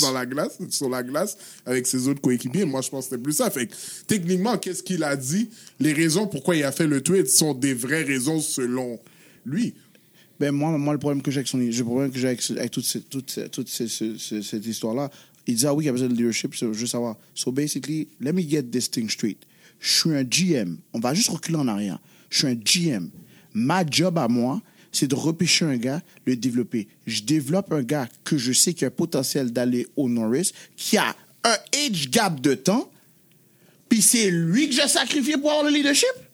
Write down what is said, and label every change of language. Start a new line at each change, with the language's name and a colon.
French: Dans la glace, sur la glace, avec ses autres coéquipiers. Moi, je pense que c'était plus ça. Fait que, techniquement, qu'est-ce qu'il a dit? Les raisons pourquoi il a fait le tweet sont des vraies raisons selon lui. Ben moi le problème que j'ai avec son... Le problème que j'ai avec toute cette histoire-là, il dit, ah oui, il y a besoin de leadership, je veux savoir.
English: So basically, let me get this thing straight.
French: Je suis un GM. On va juste reculer en arrière. Je suis un GM. Ma job à moi, c'est de repêcher un gars, le développer. Je développe un gars que je sais qui a un potentiel d'aller au Norris, qui a un age gap de temps, puis c'est lui que j'ai sacrifié pour avoir le leadership.